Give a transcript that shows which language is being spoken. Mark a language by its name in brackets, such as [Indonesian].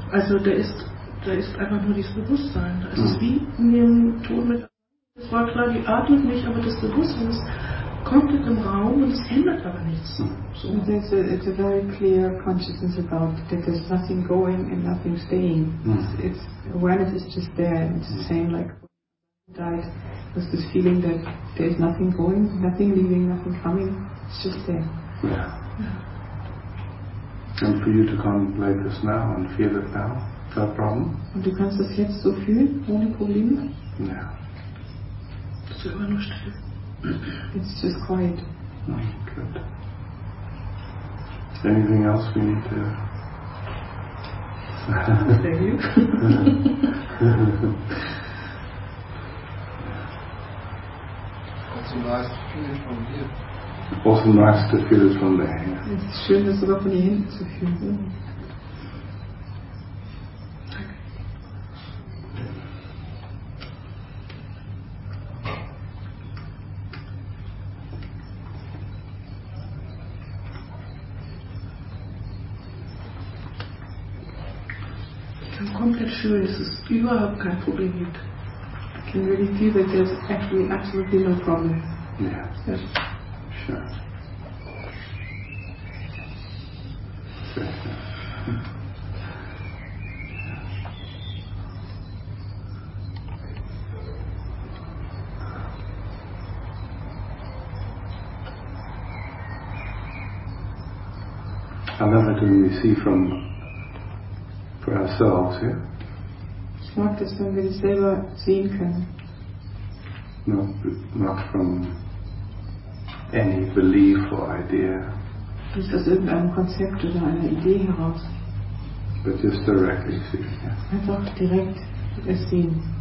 [German] Also da ist einfach nur dieses Bewusstsein. Da ist es wie in dem Ton mit. Es war klar, die atmet nicht, aber das Bewusstsein ist komplett im Raum und es ändert aber nichts. [English] So. It's a very clear consciousness about that there's nothing going and nothing staying. It's awareness is just there. It's the same like dies. There's this feeling that there is nothing going, nothing leaving, nothing coming. It's just there. Yeah. And for you to contemplate this now and feel it now, no problem. [German] Und du kannst das jetzt so fühlen, ohne Probleme? [English] Yeah. [German] Es ist immer nur still. [English] It's just quiet. Good. Anything else we need to? Thank you. Also nice to feel it from there. [German] Es ist schön, das sogar von hier hinten zu fühlen. Ich kann komplett fühlen, dass es überhaupt kein Problem gibt. [English] I can really feel that there's actually absolutely no problem. Yeah. Yes. Sure. I love it when we see for ourselves here. [German] Ich mag das, wenn wir das selber sehen können. [English] Not from any belief or idea. [German] Nicht aus irgendeinem Konzept oder einer Idee heraus. [English] But just directly see. Yeah. [German] Einfach direkt es sehen.